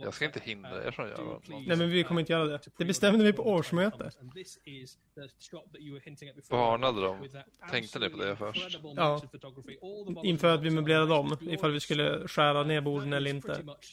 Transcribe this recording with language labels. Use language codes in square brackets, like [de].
[sv] Jag ska inte hinna, jag tror jag. Nej, men vi kommer inte göra det. Det bestämde vi på årsmöte. [en] And this is the shot that you were hinting at before. [sv] Varnade de? Tänkte ni på det först? Ja. Inför att vi möblerade om, ifall vi skulle skära ner borden eller inte.